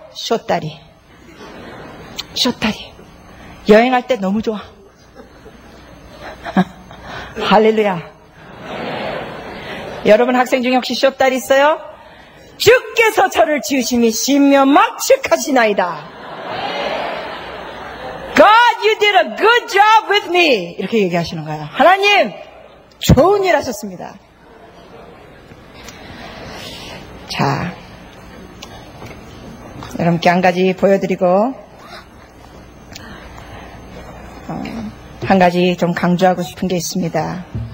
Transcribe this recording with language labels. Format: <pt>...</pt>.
<ko>숏다리. 숏다리. 여행할 때 너무 좋아. 할렐루야. 여러분 학생 중에 혹시 숏다리 있어요? 주께서 저를 지으심이 신면막 측하시나이다.</ko> <en>God, you did a good job with me.</en> <ko>이렇게 얘기하시는 거예요. 하나님, 좋은 일 하셨습니다. 자, 여러분께 한 가지 보여드리고 한 가지 좀 강조하고 싶은 게 있습니다.</ko>